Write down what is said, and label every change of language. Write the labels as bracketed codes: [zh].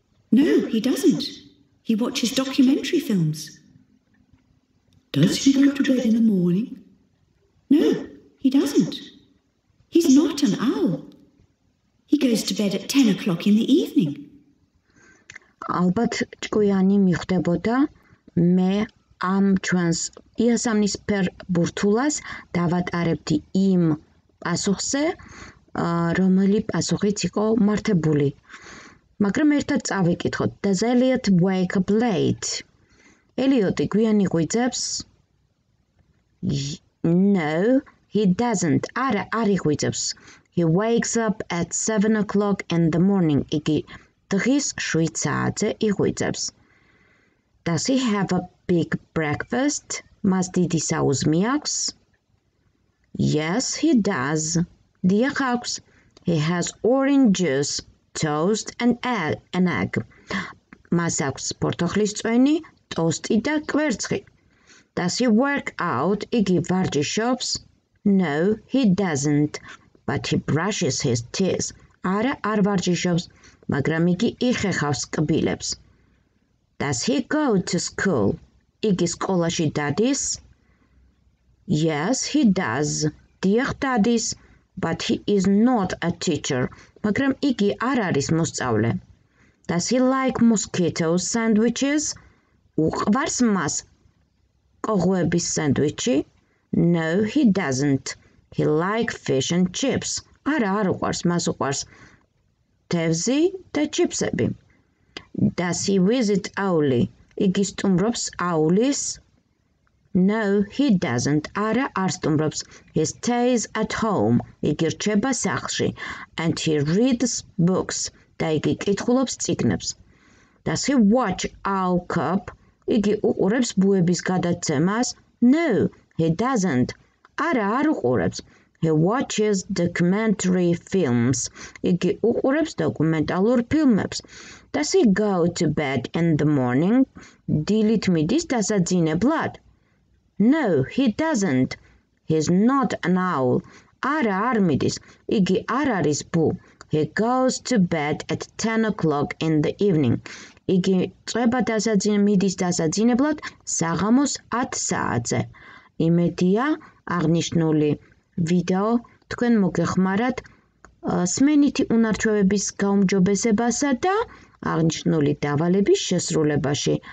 [en] No, he doesn't. He watches documentary films. Does he go to bed in the morning? No, he doesn't. He's not an owl. He goes to bed at 10 o'clock in the evening. [ka] Albat ჭკვიანი მიხვდებოდა მე ამ ჩვენს იასამნის პერ ბურთულას დავატარებდი იმ პასუხზე, რომელი პასუხიც იყო მართებული. მაგრამ ერთად წავიკითხოთ. [en] Does Elliot wake up late? [ka] ელიოტი გვიანი ღვიძებს? [en] No, he doesn't. [ka] არი ღვიძებს. [en] He wakes up at 7 o'clock in the morning. [ka] იგი დღის 7 საათზე იღვიძებს. [en] Does he have a big breakfast? [ka] მას დიდი საუზმი აქვს? [en] Yes, he does. [ka] დიახ აქვს. [en] He has oranges, toast and an egg. [ka] მას აქვს პორტოხლის წვენი, ტოსტი და კვერცხი. [en] Does he work out? [ka] Იგი ვარჯიშობს? [en] No, he doesn't. But he brushes his teeth. [ka] არ ვარჯიშობს, მაგრამ იგი იხეხავს კბილებს. [en] Does he go to school? [ka] იგი სკოლაში დადის? [en] Yes, he does. [ka] დიახ დადის. [en] But he is not a teacher. [ka] მაგრამ იგი არ არის მოსწავლე. [en] Does he like mosquito sandwiches? [ka] უყვარს მას კოღოების სენდვიჩი? [en] No, he doesn't. He like fish and chips. [ka] არ უყვარს, მას უყვარს თევზი და ჩიფსები. [en] Does he visit Owly? [ka] იგი სტუმრობს Owlys? [en] No, he doesn't. [ka] არ სტუმრობს. [en] He stays at home. [ka] იგი რჩება სახლში. [en] And he reads books. [ka] და იგი კითხულობს წიგნებს. [en] Does he watch Owlcop? [ka] იგი უყურებს ბუების გადაცემას? [en] No, he doesn't. [ka] არ უყურებს. [en] He watches documentary films. [ka] იგი უყურებს დოკუმენტალურ ფილმებს. [en] Does he go to bed in the morning? [ka] დილით მიდის დასაძინებლად? [en] No, he doesn't. He's not an owl. [ka] არ მიდის. იგი არ არის ბუ. [en] He goes to bed at 10 o'clock in the evening. [ka] იგი წვება მიდის დასაძინებლად საღამოს 10 საათზე. იმედია აღნიშნული ვიდეო თქვენ მოგეხმარათ სმენითი უნარჩვევების გაუმჯობესებასა და აღნიშნული დავალების შესრულებაში.